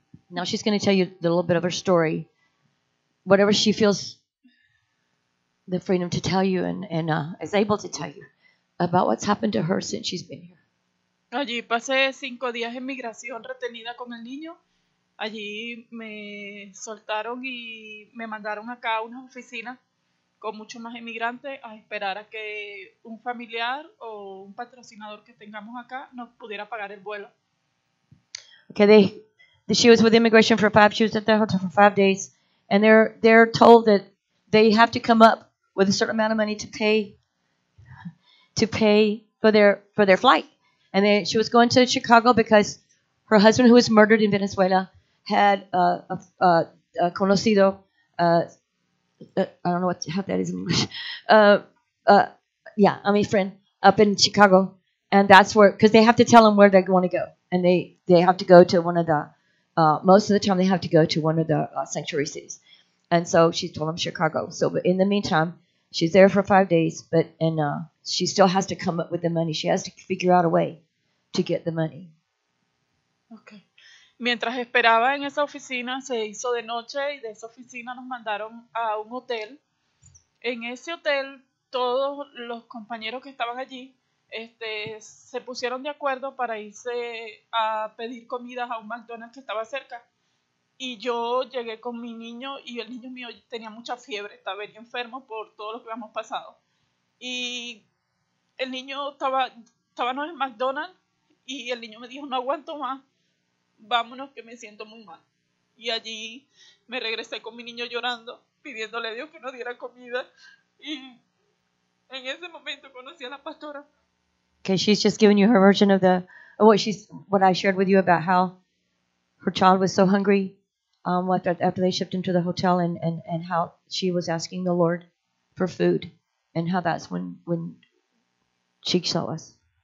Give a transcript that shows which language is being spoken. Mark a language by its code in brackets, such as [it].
[en] Now she's going to tell you a little bit of her story. Whatever she feels the freedom to tell you and is able to tell you about what's happened to her since she's been here. [es] Allí pasé 5 días en migración retenida con el niño. Allí me soltaron y me mandaron acá a una oficina con muchos más inmigrantes a esperar a que un familiar o un patrocinador que tengamos acá nos pudiera pagar el vuelo. [en] Okay, she was with immigration for five. She was at the hotel for 5 days, and they're told that they have to come up with a certain amount of money to pay for their flight. And then she was going to Chicago because her husband, who was murdered in Venezuela, had conocido I don't know what how that is in English. Yeah, I'm a friend up in Chicago, and that's where, because they have to tell them where they want to go, and they have to go to one of the, most of the time they have to go to one of the sanctuary cities. And so she told them Chicago. So but in the meantime, she's there for 5 days, but and she still has to come up with the money. She has to figure out a way to get the money. Okay. [es] Mientras esperaba en esa oficina, se hizo de noche y de esa oficina nos mandaron a un hotel. En ese hotel, todos los compañeros que estaban allí se pusieron de acuerdo para irse a pedir comidas a un McDonald's que estaba cerca. Y yo llegué con mi niño y el niño mío tenía mucha fiebre, estaba bien enfermo por todo lo que habíamos pasado. Y el niño estaba en el McDonald's y el niño me dijo, no aguanto más. Vámonos que me siento muy mal. Y allí me regresé con mi niño llorando, pidiéndole a Dios que nos diera comida. Y en ese momento conocí a la pastora. [en] Okay, she's just giving you her version of the what I shared with you about how her child was so hungry after they shipped into the hotel and how she was asking the Lord for food and how that's when she saw us.